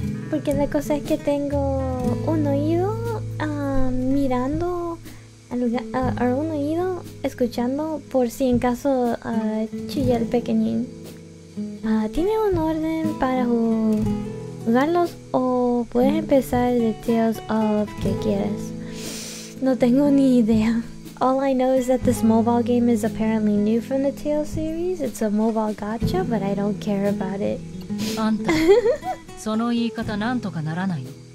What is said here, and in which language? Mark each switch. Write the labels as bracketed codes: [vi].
[es] Porque la cosa es que tengo un oído mirando al lugar, un oído escuchando por si en caso chilla el pequeñín. ¿Tiene un orden para jugarlos o puedes empezar de Tales of que quieres? No tengo ni idea. [en] All I know is that this mobile game is apparently new from the Tales series. It's a mobile gacha, but I don't care about it. [ja] Anta. その言い方なんとかならないの？